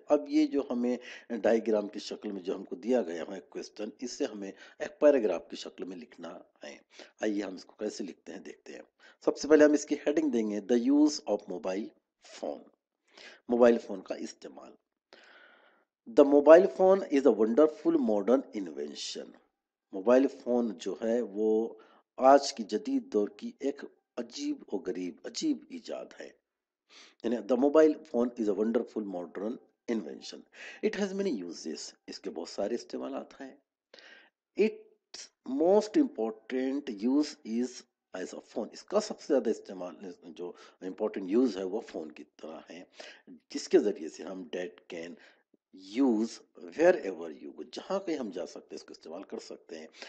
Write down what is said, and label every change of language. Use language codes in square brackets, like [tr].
[ur] اب یہ جو ہمیں ڈائیگرام کی شکل میں جو ہم کو دیا گیا ہے کوئسچن, اسے ہمیں ایک پیراگراف کی شکل میں لکھنا ہے. آئیے ہم اس کو کیسے لکھتے ہیں دیکھتے ہیں. سب سے پہلے ہم اس کی ہیڈنگ دیں گے [en] the use of mobile phone, [ur] mobile phone کا استعمال. [en] The mobile phone is a wonderful modern invention. [ur] Mobile phone جو ہے وہ آج کی جدید دور کی ایک عجیب و غریب عجیب ایجاد ہے. [en] یعنی the mobile phone is a wonderful modern invention, it has many uses, [ur] اس کے بہت سارے استعمالات ہیں. [en] it's most important use is as a phone, [ur] اس کا سب سے زیادہ استعمال جو امپورٹینٹ یوز ہے وہ فون کی طرح ہے, جس کے ذریعے سے ہم [en] that can use wherever you, [ur] جہاں کہیں ہم جا سکتے ہیں اس کو استعمال کر سکتے ہیں.